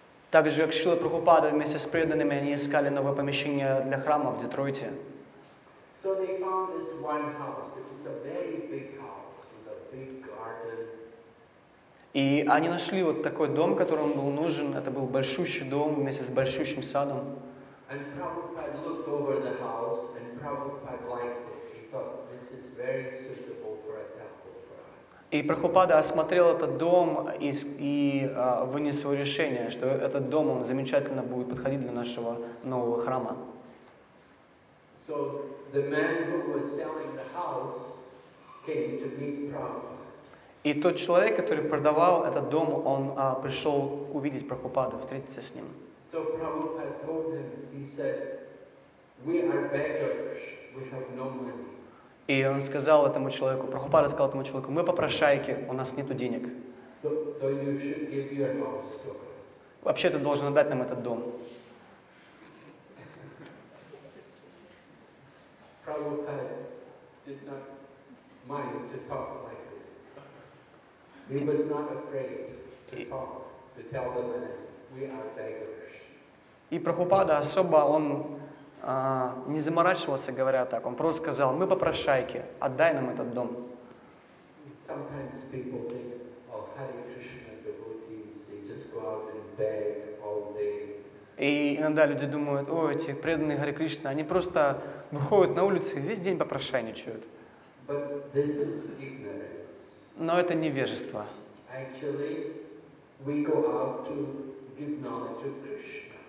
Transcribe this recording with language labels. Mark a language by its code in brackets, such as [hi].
[ru] Так же, как Шрила Прабхупада вместе с преданными, они искали новое помещение для храма в Детройте. [en] So they found this one house. It was a very big house with a big garden. [ru] И они нашли вот такой дом, который им был нужен. Это был большущий дом вместе с большущим садом. [en] And Prabhupada looked over the house and Prabhupada liked it. He thought this is very suitable for a temple for us. [ru] И Прабхупада осмотрел этот дом и вынес свое решение, что этот дом он замечательно будет подходить для нашего нового храма. [en] So the man who was selling the house came to meet Prabhupada. [ru] И тот человек, который продавал этот дом, он пришел увидеть Прабхупаду, встретиться с ним. [en] So Prabhupada told him, he said, we are beggars, we have no money. [ru] И он сказал этому человеку, Прабхупада сказал этому человеку, мы попрошайки, у нас нету денег. [en] So you should give your house to us. [ru] Вообще, ты должен отдать нам этот дом. [en] Prabhupada did not mind to talk. He was not afraid to talk, to tell them that we are beggars. [ru] И Прабхупада особо, он не заморачивался, говоря так. Он просто сказал, мы попрошайки, отдай нам этот дом. [en] Sometimes people think of Hare Krishna devotees, they just go out and beg all day. [ru] И иногда люди думают, о, эти преданные Харе Кришна, они просто выходят на улицы и весь день попрошайничают. [en] But this is ignorance. [ru] Но это невежество. [en] Actually, we go out to give knowledge of Krishna.